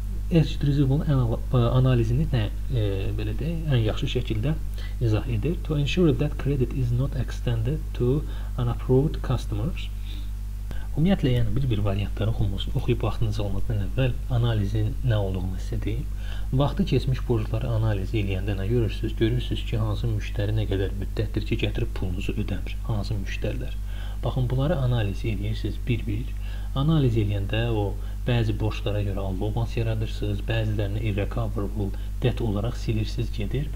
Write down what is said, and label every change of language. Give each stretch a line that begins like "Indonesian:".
Azerbaijani: Aged receivables analizini nə belə deyək, ən yaxşı şəkildə izah edir.
English: To ensure that credit is not extended to unapproved customers.
Azerbaijani: Ümumiyyətlə, yəni bir-bir variantları oxuyub vaxtınız olmadan əvvəl analizin nə olduğunu sizə deyim. Vaxtı keçmiş borcları analiz eləyəndə nə görürsünüz? Görürsünüz ki, hansı müştəri nə qədər müddətdir ki, gətirib pulunuzu ödəmir. Hansı müştərilər? Baxın, bunları analiz eləyirsiniz bir-bir. Analiz eləyəndə o bəzi borçlara görə allowance yaradırsınız, bəzilərini irrecoverable debt olaraq silirsiniz gedir.